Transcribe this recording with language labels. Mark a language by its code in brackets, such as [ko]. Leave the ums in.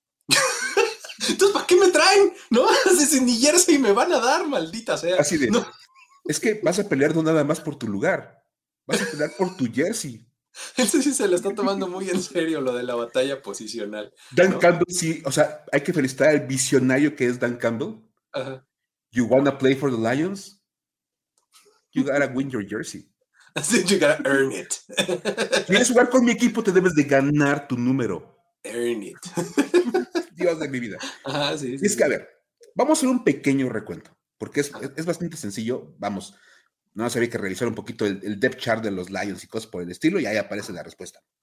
[es] Entonces, ¿para qué me traen? ¿No? Si ni jersey me van a dar, maldita sea. Así de, no. es que vas a pelear no nada más por tu lugar, vas a pelear por tu jersey. Eso sí se lo está tomando muy en serio lo de la batalla posicional. ¿no? Dan Campbell, sí, o sea, hay que felicitar al visionario que es Dan Campbell. Uh -huh. [en] You wanna play for the Lions? You gotta win your jersey. you gotta earn it. [es] Si quieres jugar con mi equipo, te debes de ganar tu número. [en] Earn it. [es] Dios de mi vida. Ajá, uh -huh, sí, es que, sí. a ver, vamos a hacer un pequeño recuento, porque es, uh -huh. es bastante sencillo. Vamos. No se había que revisar un poquito el, el, depth chart de los Lions y cosas por el estilo, y ahí aparece la respuesta.